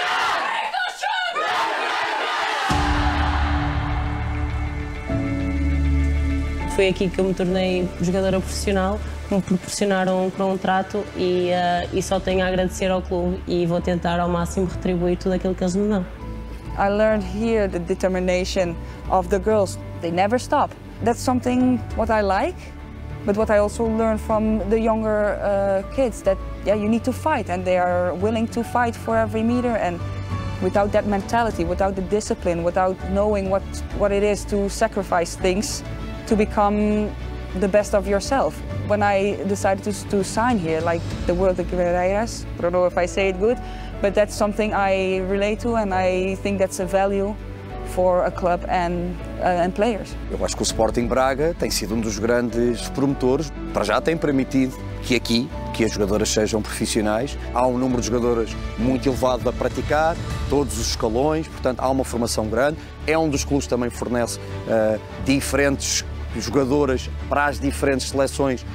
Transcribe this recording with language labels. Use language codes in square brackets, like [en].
[pt] O que é que nós queremos? Foi aqui que eu me tornei jogadora profissional. Me proporcionaram um contrato e só tenho a agradecer ao clube e vou tentar ao máximo retribuir tudo aquilo que eles me dão. [en] I learned here the determination of the girls. They never stop. That's something what I like, but what I also learned from the younger kids that yeah, you need to fight and they are willing to fight for every meter and without that mentality, without the discipline, without knowing what it is to sacrifice things to become the best of yourself. When I decided to sign here, like the World of Guerreiras, I don't know if I say it good, but that's something I relate to and I think that's a value for a club and players. [pt] Eu acho que o Sporting Braga tem sido um dos grandes promotores. Para já tem permitido que aqui, que as jogadoras sejam profissionais. Há um número de jogadoras muito elevado a praticar, todos os escalões, portanto há uma formação grande. É um dos clubes que também fornece diferentes jogadoras para as diferentes seleções.